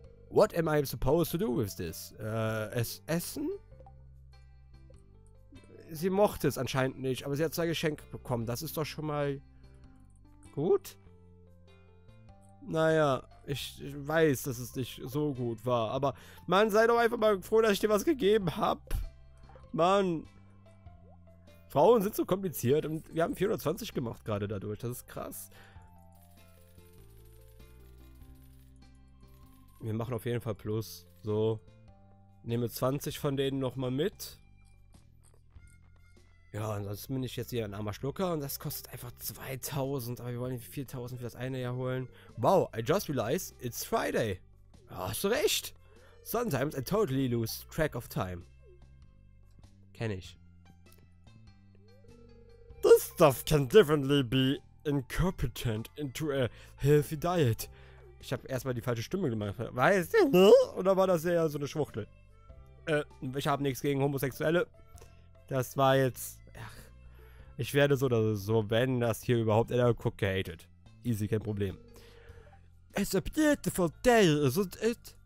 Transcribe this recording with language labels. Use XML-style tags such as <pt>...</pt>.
<en>What am I supposed to do with this?</en> <de>Es essen? Sie mochte es anscheinend nicht, aber sie hat zwei Geschenke bekommen. Das ist doch schon mal gut. Naja, ich weiß, dass es nicht so gut war. Aber man, sei doch einfach mal froh, dass ich dir was gegeben hab. Mann. Frauen sind so kompliziert und wir haben 420 gemacht gerade dadurch. Das ist krass. Wir machen auf jeden Fall Plus. So. Nehme 20 von denen nochmal mit. Ja, ansonsten bin ich jetzt hier ein armer Schlucker und das kostet einfach 2000. Aber wir wollen 4000 für das eine Jahr holen.</de> <en>Wow, I just realized it's Friday.</en> <de>Ja, hast du recht.</de> <en>Sometimes I totally lose track of time.</en> <de>Kenn ich.</de> <en>This stuff can definitely be incompetent into a healthy diet.</en> <de>Ich hab erstmal die falsche Stimme gemacht. Weißt du, oder war das eher so eine Schwuchtel? Ich habe nichts gegen Homosexuelle. Das war jetzt... Ach, ich werde so oder so, wenn das hier überhaupt einer guckt, gehatet. Easy, kein Problem.</de> <en>It's a beautiful day, isn't it?</en>